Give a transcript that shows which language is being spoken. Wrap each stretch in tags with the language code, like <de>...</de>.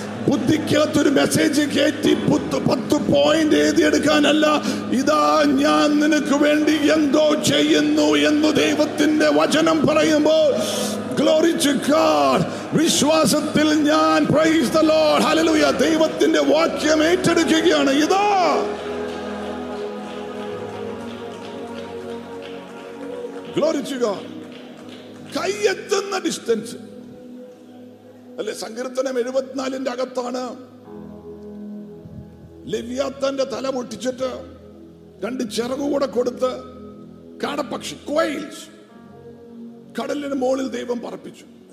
<ml>ബുദ്ധിക്കകത്തൊരു message കയറ്റി പത്ത് point എഴുതിയെടുക്കാനല്ല, ഇതാ ഞാൻ നിനക്ക് വേണ്ടി എന്തോ ചെയ്യുന്നു എന്ന് ദൈവത്തിന്റെ വചനം പറയുമ്പോൾ.</ml> <en>Glory to God.</en> <ml>വിശ്വാസത്തിൽ ഞാൻ</ml> <en>praise the Lord.</en> <ml>Hallelujah. ദൈവത്തിന്റെ വാക്യം ഏറ്റെടുക്കുകയാണ്. ഇതാ</ml> <en>Glory to God.</en> <ml>കയ്യെത്തുന്ന ഡിസ്റ്റൻസ് അല്ലെ. സങ്കീർത്തനം 74 അകത്താണ് ലെവ്യാത്താന്റെ തല പൊട്ടിച്ചിട്ട് രണ്ട് ചിറകുകൂടെ കൊടുത്ത് കാടപ്പക്ഷി ക്വെയിൽസ് കടലിന് മുകളിൽ ദൈവം പറപ്പിച്ചു.</ml>